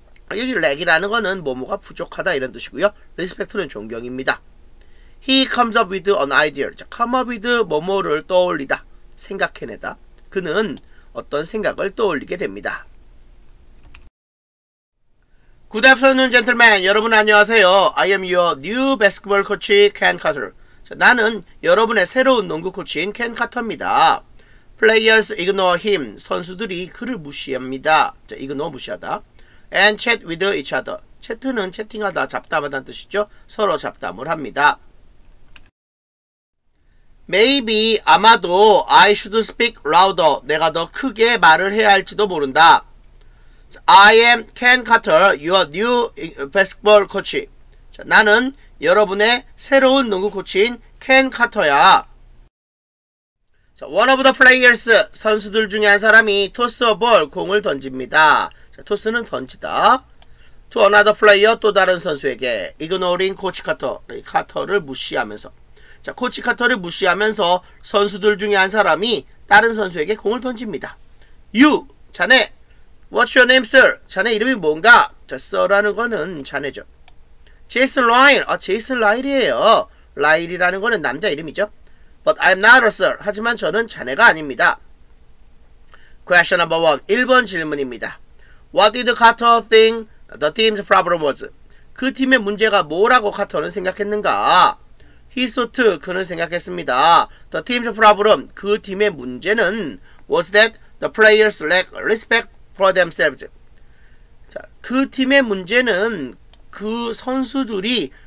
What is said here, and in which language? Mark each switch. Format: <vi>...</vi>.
<ko>여기 lack이라는 것은 뭐뭐가 부족하다 이런 뜻이고요. respect는 존경입니다.</ko> <en>He comes up with an idea.</en> <ko>come up with 뭐뭐를 떠올리다, 생각해내다. 그는 어떤 생각을 떠올리게 됩니다.</ko> <en>Good afternoon, gentlemen.</en> <ko>여러분 안녕하세요.</ko> <en>I am your new basketball coach, Ken Carter.</en> <ko>자, 나는 여러분의 새로운 농구 코치인 Ken Carter입니다.</ko> <en>Players ignore him.</en> <ko>선수들이 그를 무시합니다.</ko> <en>자, ignore</en> <ko>무시하다.</ko> <en>And chat with each other.</en> <ko>채트는 채팅하다, 잡담하다는 뜻이죠. 서로 잡담을 합니다.</ko> <en>Maybe,</en> <ko>아마도,</ko> <en>I should speak louder.</en> <ko>내가 더 크게 말을 해야 할지도 모른다.</ko> <en>I am Ken Carter, your new basketball coach.</en> <ko>자, 나는 여러분의 새로운 농구 코치인 Ken Carter야.</ko> <en>So, one of the players,</en> <ko>선수들 중에 한 사람이</ko> <en>toss a ball,</en> <ko>공을 던집니다. 자, toss는 던지다.</ko> <en>To another player,</en> <ko>또 다른 선수에게.</ko> <en>Ignoring Coach Carter,</en> <ko>카터를 무시하면서. 자, 코치 카터를 무시하면서 선수들 중에 한 사람이 다른 선수에게 공을 던집니다.</ko> <en>You, 자네. What's your name, sir?</en> <ko>자네 이름이 뭔가? 자, sir라는 거는 자네죠. Jason Lyle. 아, Jason Lyle이에요. Lyle이라는 거는 남자 이름이죠.</ko> <en>But I'm not a sir.</en> <ko>하지만 저는 자네가 아닙니다.</ko> <en>Question number one.</en> <ko>1번 질문입니다.</ko> <en>What did Carter think the team's problem was?</en> <ko>그 팀의 문제가 뭐라고 카터는 생각했는가?</ko> <en>He thought,</en> <ko>그는 생각했습니다.</ko> <en>The team's problem,</en> <ko>그 팀의 문제는</ko> <en>was that the players lack respect for themselves.</en> <ko>자, 그 팀의 문제는 그 선수들이</ko>